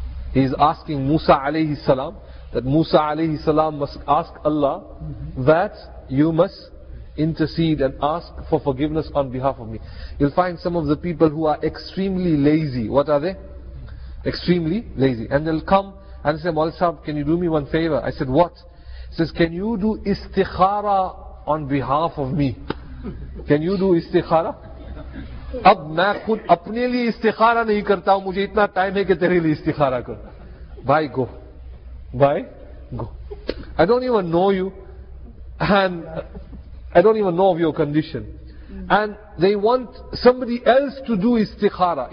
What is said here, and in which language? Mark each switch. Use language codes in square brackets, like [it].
[en] He is asking Musa alayhi salam, that Musa alayhi salam must ask Allah that you must intercede and ask for forgiveness on behalf of me. You'll find some of the people who are extremely lazy. What are they? Extremely lazy. And they'll come and say, Maulana Sahib, can you do me one favor? I said, what? He says, can you do istikhara on behalf of me? Can you do istikhara? [ur] اب میں خود اپنے لیے استخارہ نہیں کرتا ہوں, مجھے اتنا ٹائم ہے کہ تیرے لیے استخارہ کروں. [en] Bye, go. Bye, go. I don't even know you, and I don't even know of your condition. And they want somebody else to do istikhara.